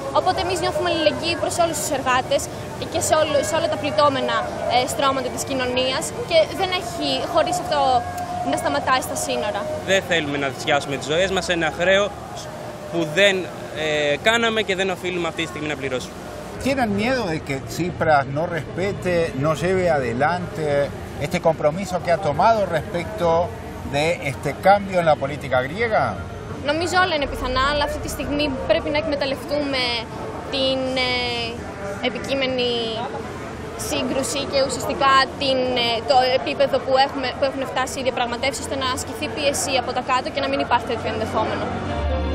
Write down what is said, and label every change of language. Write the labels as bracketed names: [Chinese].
[Greek] Οπότε εμείς νιώθουμε αλληλεγγύη προς όλους τους εργάτες και σε όλα τα πληττόμενα στρώματα της κοινωνίας και δεν έχει χωρίς αυτό να σταματάει στα σύνορα. Δεν θέλουμε να θυσιάσουμε τις ζωές μας σε ένα χρέος που δεν κάναμε και δεν οφείλουμε αυτή τη στιγμή να πληρώσουμε. [Spanish] ¿Tienen miedo de que Tsipras no respete, no lleve adelante este compromiso que ha tomado respecto de este cambio en la política griega? [Greek] Νομίζω όλα είναι πιθανά, αλλά αυτή τη στιγμή πρέπει να εκμεταλλευτούμε την επικείμενη σύγκρουση και ουσιαστικά το επίπεδο που έχουν φτάσει οι διαπραγματεύσεις ώστε να ασκηθεί πίεση από τα κάτω και να μην υπάρχει τέτοιο ενδεχόμενο.